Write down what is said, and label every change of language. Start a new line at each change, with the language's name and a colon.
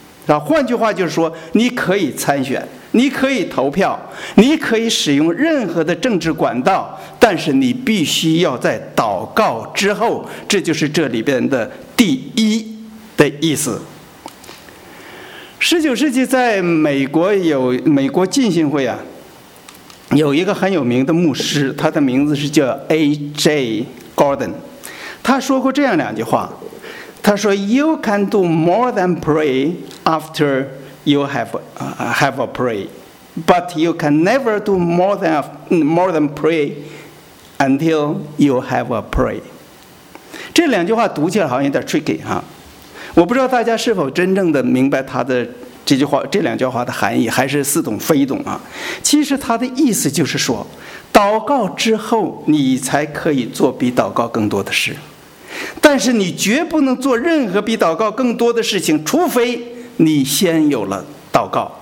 Chinese: 然后换句话就是说，你可以参选，你可以投票，你可以使用任何的政治管道，但是你必须要在祷告之后，这就是这里边的第一的意思。 19世纪在美国有美国浸信会啊，有一个很有名的牧师，他的名字是叫 A.J.
English: Gordon，
Chinese: 他说过这样两句话，他说
English: You can do more than pray after you have a pray， but you can never do more than pray until you have a pray。
Chinese: 这两句话读起来好像有点 tricky 哈，我不知道大家是否真正的明白他的这句话，这两句话的含义，还是似懂非懂啊？其实他的意思就是说，祷告之后你才可以做比祷告更多的事，但是你绝不能做任何比祷告更多的事情，除非你先有了祷告。